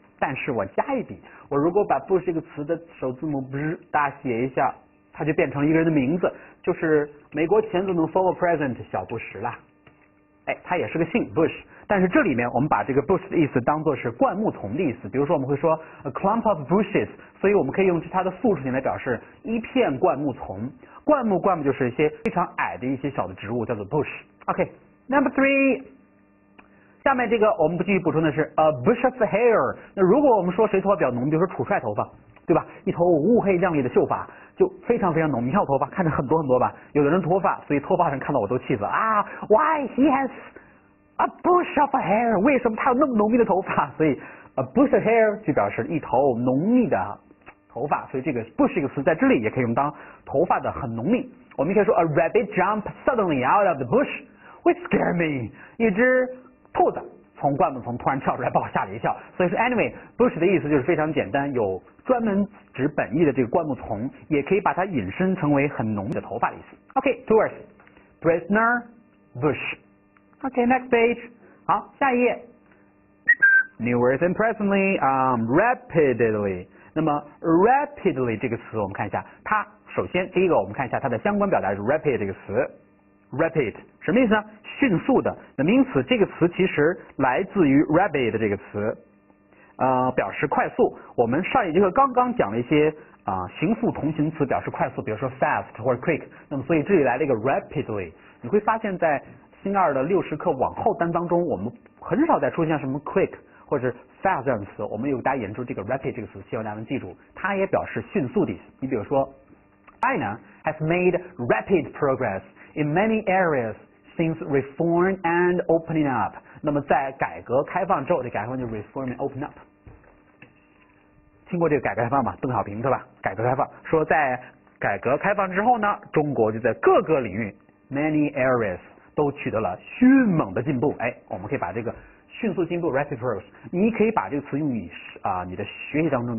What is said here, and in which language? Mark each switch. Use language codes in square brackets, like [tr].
[zh] 但是我加一笔，我如果把 bush 这个词的首字母 bz 大写一下，它就变成一个人的名字，就是美国前总统 [en] former president [zh] 小布什了。哎，他也是个姓 bush， 但是这里面我们把这个 bush 的意思当作是灌木丛的意思。比如说我们会说 [en] a clump of bushes， [zh] 所以我们可以用它的复数形来表示一片灌木丛。灌木就是一些非常矮的一些小的植物，叫做 bush。 [en] OK， number three， [zh] 下面这个我们不继续补充的是 [en] a bush of hair。 [zh] 那如果我们说谁头发比较浓，比如说楚帅头发，对吧，一头乌黑亮丽的秀发，就非常非常浓。你看我头发看着很多很多吧，有的人脱发，所以脱发人看到我都气死啊， [en] why he has a bush of hair， [zh] 为什么他有那么浓密的头发。所以 [en] a bush of hair [zh] 就表示一头浓密的头发，所以这个 bush 这个词在这里也可以用当头发的很浓密。我们可以说 [en] a rabbit jump suddenly out of the bush would scare me， [zh] 一只兔子从灌木丛突然跳出来把我吓了一跳。所以说 anyway bush 的意思就是非常简单，有专门指本意的这个灌木丛，也可以把它引申成为很浓密的头发的意思。 [en] OK， two words， prisoner， bush。 OK， next page， [zh] 好，下一页。 [en] New words and presently rapidly。 [zh] 那么 rapidly 这个词我们看一下，它首先第一个我们看一下它的相关表达是 rapid 这个词。 rapid 什么意思呢？迅速的。那名词这个词其实来自于 rapid 这个词，表示快速。我们上一节课刚刚讲了一些形复同形词表示快速，比如说 fast 或者 quick。那么所以这里来了一个 rapidly， 你会发现在星二的六十课往后单当中，我们很少再出现什么 quick 或者是fast 这样的词。我们有大家研究这个 rapid 这个词，希望大家能记住，它也表示迅速的。 [en] 你比如说 China has made rapid progress in many areas since reform and opening up。 [zh] 那么在改革开放之后，这改革开放就 [en] reform and open up， [zh] 听过这个改革开放吗？邓小平对吧，改革开放，说在改革开放之后呢，中国就在各个领域 [en] many areas [zh] 都取得了迅猛的进步。哎，我们可以把这个迅速进步 [en] rapid progress， [zh] 你可以把这个词用于你的学习当中。